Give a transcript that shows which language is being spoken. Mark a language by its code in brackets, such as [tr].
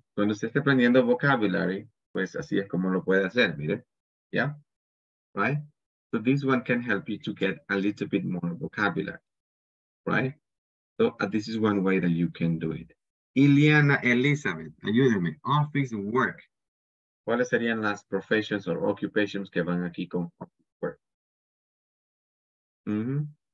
[es] Cuando usted esté aprendiendo vocabulary, pues así es como lo puede hacer, mire, [en] yeah? Right? So this one can help you to get a little bit more vocabulary, right? So this is one way that you can do it. [es] Ileana Elizabeth, ayúdame, [en] office work. [es] ¿Cuáles serían las [en] professions or occupations [es] que van aquí con office work? Mm-hmm.